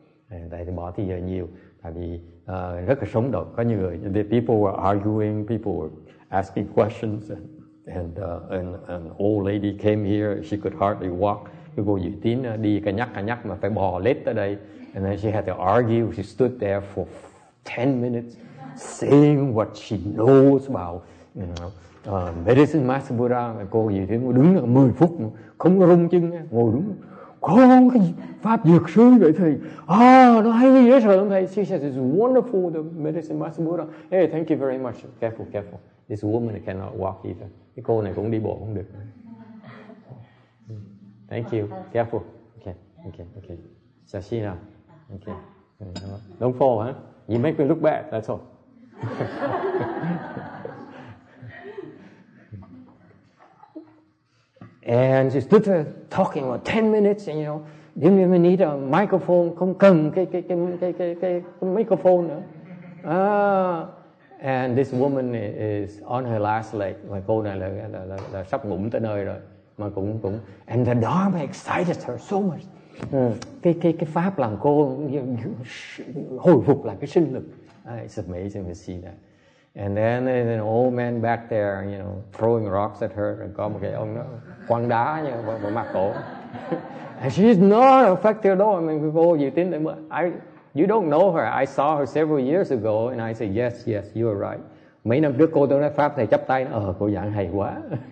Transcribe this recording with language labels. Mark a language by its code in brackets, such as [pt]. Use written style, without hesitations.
[en] And [vi] tại bỏ thì giờ nhiều, tại vì rất là sống động, có nhiều người, [en] the people were arguing, people were asking questions, and old lady came here, she could hardly walk. [vi] Cái cô dự tín đi cà nhắc mà phải bò lết tới đây, [en] and then she had to argue. She stood there for 10 minutes saying what she knows about, you know, Medicine Master Buddha. [vi] Cô gì thế, cô đứng 10 phút không có rung chân, ngồi đúng con cái pháp dược sư vậy thầy, nó hay gì đó rồi thầy. [en] She says it's wonderful, the Medicine Master Buddha. Hey, thank you very much. Careful, this woman cannot walk either. [vi] Cái cô này cũng đi bộ không được. [en] Thank you, careful. Okay. Sashina, okay. Don't fall, huh? You make me look bad, that's all. And she stood there talking for 10 minutes, and you know, didn't even need a microphone, [vi] không cần cái microphone nữa. [en] And this woman is on her last leg. [vi] My cô này là sắp ngủm tới nơi rồi. Mà cũng [en] and the Dharma excited her so much. [vi] Cái pháp làm cô hồi phục lại cái sinh lực. [en] It's amazing to see that. And then there's an old man back there, you know, throwing rocks at her. [vi] And có một cái ông quăng đá vào mặt cổ. [en] And she's not affected at all. I mean, [vi] cô dự tính là [en] you don't know her. I saw her several years ago, and I said, yes, you are right. [vi] Mấy năm trước cô tôi nói pháp thầy chắp tay, cô giảng hay quá.